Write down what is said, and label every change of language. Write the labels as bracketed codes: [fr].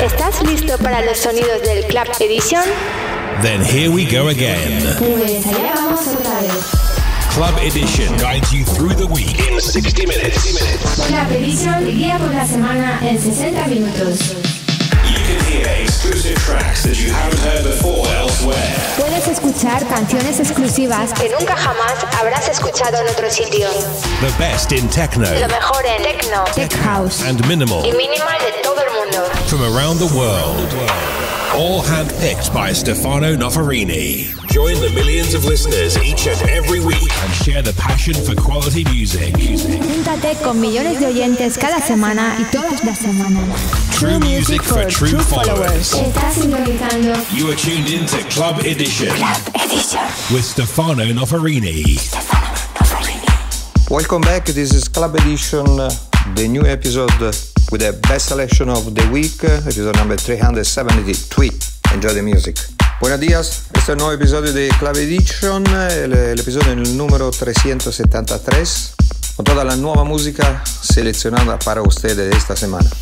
[es] ¿Estás listo para los sonidos del Club Edition? [en] Then here we go again. [es] Pues allá vamos otra vez. [en] Club Edition guides you through the week in 60 minutes. [es] Club Edition guía por la semana en 60 minutos. [en] You can hear exclusive tracks that you haven't heard before elsewhere. [es] Puedes escuchar canciones exclusivas que nunca jamás habrás escuchado en otro sitio. [en] The best in techno. [es] Lo mejor en techno. [en] Tech house. And minimal. [es] Y minimal de todo el mundo. [en] From around the world. All handpicked by Stefano Noferini. Join the millions of listeners each and every week and share the passion for quality music. [es] Júntate con millones de oyentes cada semana y todas las semanas. [en] True music for true followers. [es] Estás sintonizando. [en] You are tuned in to Club Edition. Club Edition. With Stefano Noferini. Stefano Noferini. Welcome back. This is Club Edition, the new episode with the best selection of the week, episode number 373. Enjoy the music. [es] Buenos días, este es el nuevo episodio de Club Edition, el episodio el número 373, con toda la nueva música seleccionada para ustedes esta semana.